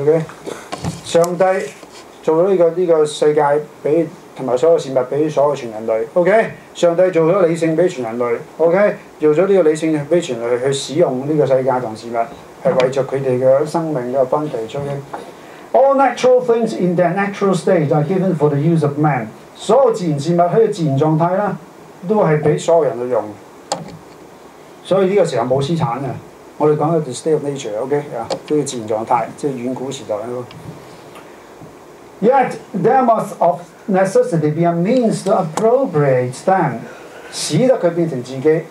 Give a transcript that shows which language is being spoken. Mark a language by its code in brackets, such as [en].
[yue] OK， 上帝做咗呢個世界俾同埋所有事物俾所有全人類。 OK。上帝做了理性給全人類 ，OK， 做了呢個理性給全人類去使用呢個世界同事物，係為著佢哋嘅生命嘅分地出嘅。 [en] All natural things in their natural state are given for the use of man。 [yue] 所有自然事物喺自然狀態咧，都係俾所有人去用。所以呢個時候冇私產嘅。我哋講嘅 [en] the state of nature，OK、okay? [yue] 啊，呢個自然狀態，即係遠古時代咯。 [en] Yet there must of necessity be a means to appropriate them， [yue] 使得佢變成自己。